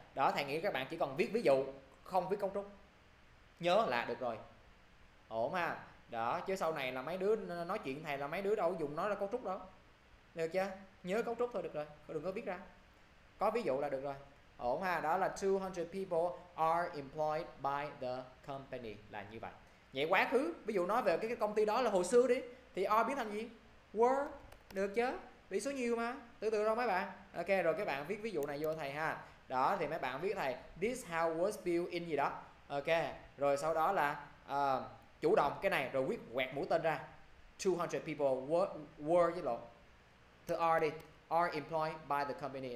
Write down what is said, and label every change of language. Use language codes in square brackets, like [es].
[vi] Đó, thầy nghĩ các bạn chỉ cần viết ví dụ, không viết cấu trúc, nhớ là được rồi, ổn ha. Đó chứ sau này là mấy đứa nói chuyện thầy là mấy đứa đâu dùng nó ra cấu trúc đó, được chưa? Nhớ cấu trúc thôi được rồi, đừng có viết ra, có ví dụ là được rồi, ổn ha. Đó là [en] 200 people are employed by the company [vi] là như vậy. Vậy quá khứ ví dụ nói về cái công ty đó là hồi xưa đi, thì are biến thành gì? Were, được chưa? Vì số nhiều mà, từ từ đâu mấy bạn. Ok rồi, các bạn viết ví dụ này vô thầy ha. Đó thì mấy bạn viết thầy [en] this house was built in [vi] gì đó. Ok, rồi sau đó là chủ động cái này, rồi viết quẹt mũi tên ra [en] 200 people were [vi] với lộn the are đi, [en] are employed by the company.